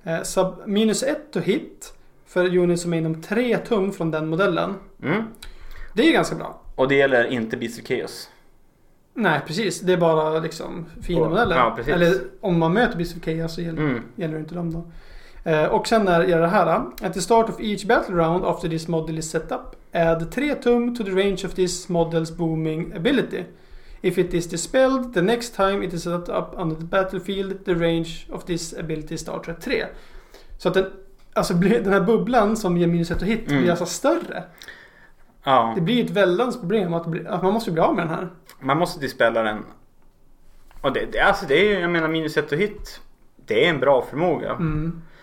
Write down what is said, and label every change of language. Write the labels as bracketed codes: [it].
[sv] Så minus ett och hit. För units som är inom 3 tum från den modellen. Mm. Det är ganska bra. Och det gäller inte Beast of Chaos. Nej, precis. Det är bara liksom fina modeller. Ja, eller om man möter Beast of Chaos så gäller det inte dem då. Och sen är det här. [en] At the start of each battle round after this model is set up, add [sv] 3 tum [en] to the range of this model's booming ability. If it is dispelled, the next time it is set up under the battlefield, the range of this ability starts at 3. [sv] Så att alltså den här bubblan som ger minus ett och hit blir alltså större. Ja. Det blir ett väldans problem att man måste bli av med den här. Man måste dispella den. Och det är ju, jag menar, minus ett och hit, det är en bra förmåga. Mm.